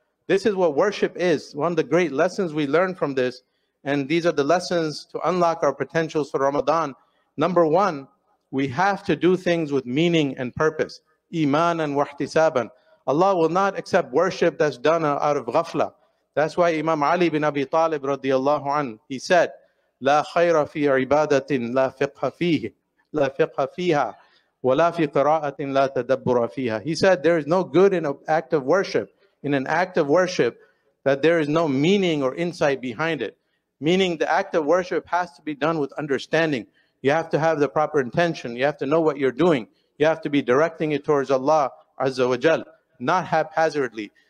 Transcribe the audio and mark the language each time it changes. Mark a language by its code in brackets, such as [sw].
[en] This is what worship is. One of the great lessons we learn from this. And these are the lessons to unlock our potentials for Ramadan. Number one, we have to do things with meaning and purpose. Iman and wahtisaban. Allah will not accept worship that's done out of ghafla. That's why Imam Ali bin Abi Talib radiallahu an, he said, [ar] لا خير في عبادة لا فقه فيه لا فقه فيها ولا في قراءة لا تدبر فيها. [en] He said, there is no good in an act of worship, in an act of worship, that there is no meaning or insight behind it. Meaning the act of worship has to be done with understanding. You have to have the proper intention. You have to know what you're doing. You have to be directing it towards Allah Azza wa Jal, not haphazardly.